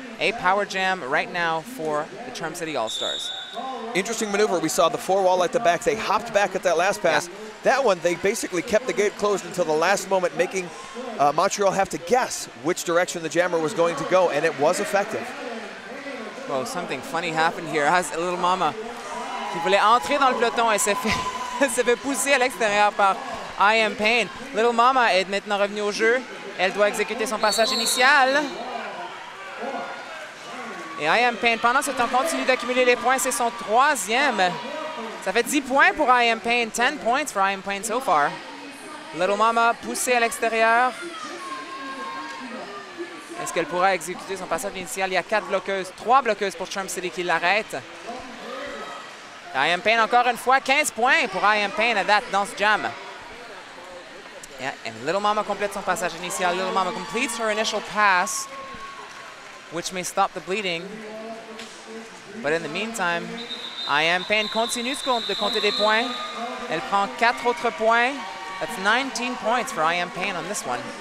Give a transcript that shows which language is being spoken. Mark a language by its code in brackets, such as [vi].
[en] a power jam right now for the Charm City All-Stars. Interesting maneuver. We saw the four wall at the back. They hopped back at that last pass. Yeah. That one, they basically kept the gate closed until the last moment, making Montreal have to guess which direction the jammer was going to go, and it was effective. Well, something funny happened here. As a [fr] little mama, qui voulait entrer dans le peloton et s'est fait pousser à l'extérieur par I Am Pain. Little mama est maintenant revenue au jeu. Elle doit exécuter son passage initial. Et I Am Pain, pendant ce temps, continue d'accumuler les points. C'est son troisième. Ça fait 10 points pour I Am Pain. [en] 10 points for I Am Pain so far. [fr] Little Mama poussée à l'extérieur. Est-ce qu'elle pourra exécuter son passage initial? Il y a 4 bloqueuses, 3 bloqueuses pour Charm City qui l'arrêtent. I Am Pain encore une fois. 15 points pour I Am Pain à date dans ce jam. [en] Yeah, and [fr] Little Mama complète son passage initial. [en] Little Mama completes her initial pass, which may stop the bleeding. But in the meantime, I Am Pain continues [fr] de compter des points. Elle prend 4 autres points. [en] That's 19 points for I Am Pain on this one.